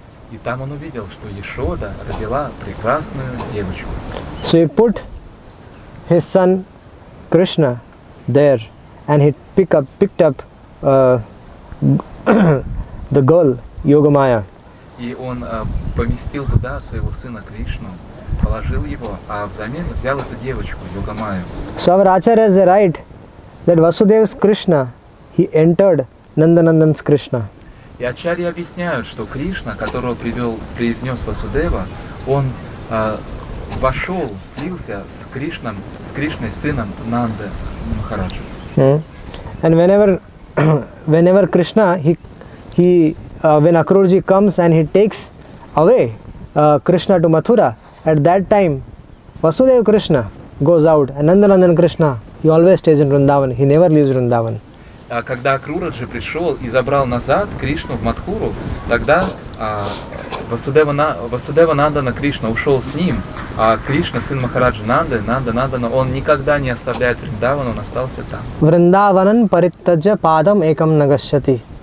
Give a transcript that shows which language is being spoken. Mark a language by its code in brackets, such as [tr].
[ru] И там он увидел, что Яшода родила прекрасную девочку. [en] So he put his son Krishna there and he picked up the girl Yogamaya. [ru] И он поместил туда своего сына Кришну, положил его, а взамен взял эту девочку Йогамаю. [en] So our acharyas write that Vasudev's Krishna, he entered Nandanandan's Krishna. [ru] И ачарьи объясняют, что Кришна, которого принес Васудева, он вошел, слился с Кришном, с Кришной сыном Нанды Махараджа. [en] And whenever Krishna, when Akrurji comes and he takes away Krishna to Mathura, at that time Vasudeva Krishna goes out and Nandanandan Krishna, he always stays in Vrindavan, he never leaves Vrindavan. [ru] Когда Акрураджи пришел и забрал назад Кришну в Матхуру, тогда Васудева Нандана Кришна ушел с ним, а Кришна, сын Махараджи Нанды, Нанда Нандана, он никогда не оставляет Вриндаван, он остался там. [sa] Вриндаванан париттаджа падам экам нагасчати.